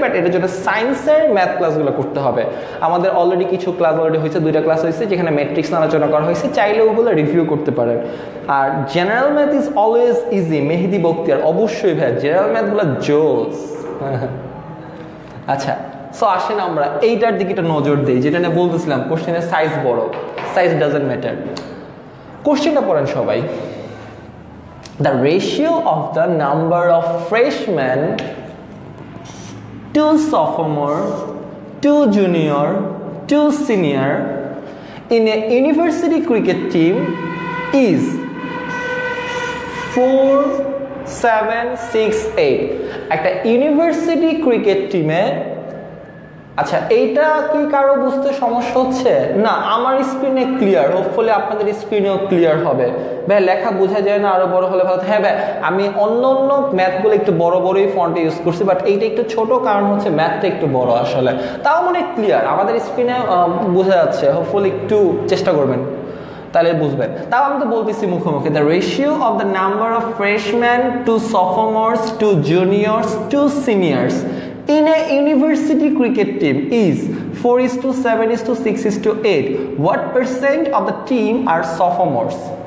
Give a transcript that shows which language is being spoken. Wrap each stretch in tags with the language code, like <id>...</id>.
<bn>But এটার জন্য সায়েন্সের ম্যাথ ক্লাসগুলো করতে হবে। আমাদের অলরেডি কিছু ক্লাস অলরেডি হয়েছে, দুইটা ক্লাস হয়েছে যেখানে ম্যাট্রিক্স আলোচনা করা হয়েছে, চাইলে ওগুলো রিভিউ করতে পারেন। আর</bn> <en>general math is always easy,</en> <bn>মেহেদি বক্তিয়ার, অবশ্যই ভাই জেনারেল ম্যাথগুলো জোস। আচ্ছা, সো আসেন আমরা এইটার দিকে একটা নজর দিই, যেটা নিয়ে বলতেছিলাম, কোশ্চেনের সাইজ বড়,</bn> <en>Size doesn't matter.</en> <bn>কোশ্চেনটা পড়েন সবাই,</bn> <en>the ratio of the number of freshmen to sophomore to junior to senior in a university cricket team is 4 7 6 8.</en> <bn>ekta university cricket team e আচ্ছা, এইটা কি কারো বুঝতে সমস্যা হচ্ছে? না, আমার স্ক্রিনে ক্লিয়ার, হোপফুলি আপনাদের স্ক্রিনেও ক্লিয়ার হবে। ভাই লেখা বোঝা যায় না, আরও বড় হলে ভালো। হ্যাঁ ভাই, আমি অন্য অন্য ম্যাথগুলো একটু বড় বড়ই ফন্টে ইউজ করছি, বাট এইটা একটু ছোট, কারণ হচ্ছে ম্যাথটা একটু বড় আসলে, তাও মানে ক্লিয়ার আমাদের স্ক্রিনে বোঝা যাচ্ছে, হোপফুলি একটু চেষ্টা করবেন তাহলে বুঝবেন। তাও আমি তো বলতেছি মুখে মুখে,</bn> <en>The ratio of the number of freshman to sophomores to juniors to seniors in a university cricket team is 4:7:6:8. What percent of the team are sophomores?</en>